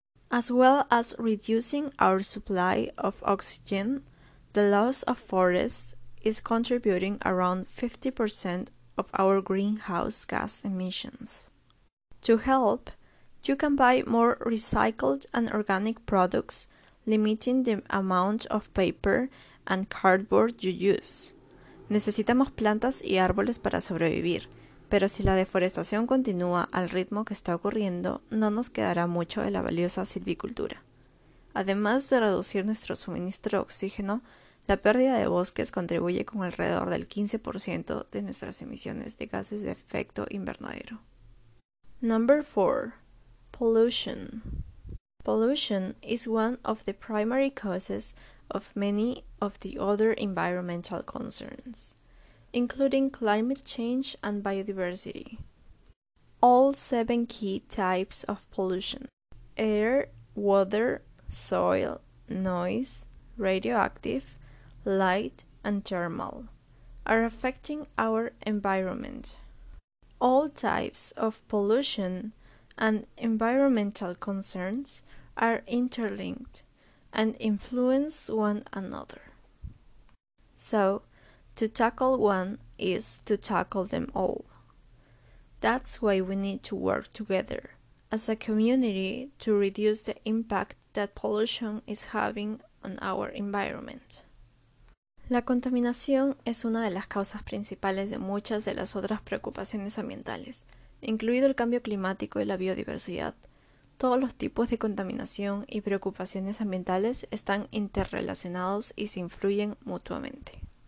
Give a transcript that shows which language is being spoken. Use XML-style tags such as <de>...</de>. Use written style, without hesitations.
<en>As well as reducing our supply of oxygen, the loss of forests is contributing around 50% of our greenhouse gas emissions. To help, you can buy more recycled and organic products, limiting the amount of paper and cardboard you use.</en> <es>Necesitamos plantas y árboles para sobrevivir, pero si la deforestación continúa al ritmo que está ocurriendo, no nos quedará mucho de la valiosa silvicultura. Además de reducir nuestro suministro de oxígeno, la pérdida de bosques contribuye con alrededor del 15% de nuestras emisiones de gases de efecto invernadero.</es> <en>Number 4. Pollution. Pollution is one of the primary causes of many of the other environmental concerns, including climate change and biodiversity. All 7 key types of pollution – air, water, soil, noise, radioactive, light, and thermal – are affecting our environment. All types of pollution and environmental concerns are interlinked and influence one another. So, to tackle one is to tackle them all. That's why we need to work together as a community to reduce the impact that pollution is having on our environment.</en> <es>La contaminación es una de las causas principales de muchas de las otras preocupaciones ambientales, incluido el cambio climático y la biodiversidad. Todos los tipos de contaminación y preocupaciones ambientales están interrelacionados y se influyen mutuamente.</es>